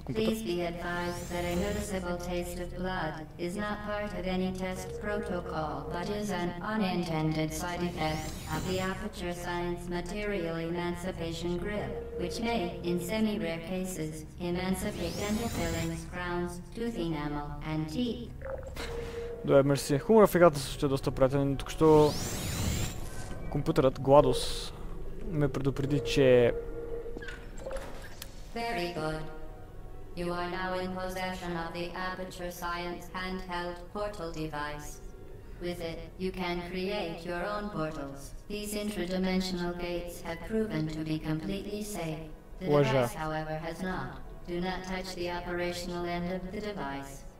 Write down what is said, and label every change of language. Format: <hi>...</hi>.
<en>please be advised that a noticeable taste of blood is not part of any test protocol, but is an unintended side effect of the Aperture Science Material Emancipation Grip, which may, in semi-rare cases, emancipate dental fillings, crowns, tooth enamel, and teeth.</en> <bg>Добре, мерси. Хуморът в играта също е доста приятен. Тук що компютърът GLaDOS ме предупреди, че</bg> <en>very good. You are now in possession of the Aperture Science handheld portal device. With it, you can create your own portals. These intradimensional gates have proven to be completely safe. The device, however, has not. Do not touch the operational end of the device.</en>